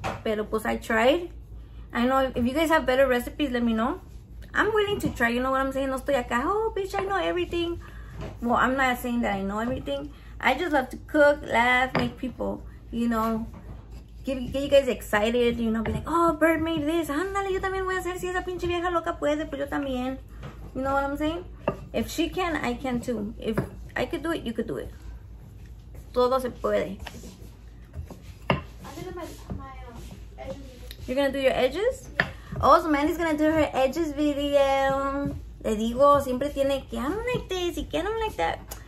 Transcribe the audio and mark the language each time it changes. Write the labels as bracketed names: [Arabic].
[Spanish] Pero pues [English] I tried. I know, if you guys have better recipes, let me know. I'm willing to try, you know what I'm saying? [Spanish] No estoy acá, [English] oh, bitch, I know everything. Well, I'm not saying that I know everything. I just love to cook, laugh, make people, you know, get you guys excited, you know, be like, oh, Bird made this. [Spanish] Andale, yo también voy a hacer. Si esa pinche vieja loca puede, pues yo también. [English] You know what I'm saying? If she can, I can too. If I could do it, you could do it. [Spanish] Todo se puede. [English] You're gonna do your edges? Yeah. Oh, so Mandy's gonna do her edges video. [Spanish] Le digo, siempre tiene que, [English] I don't like this, [Spanish] y que, [English] I don't like that.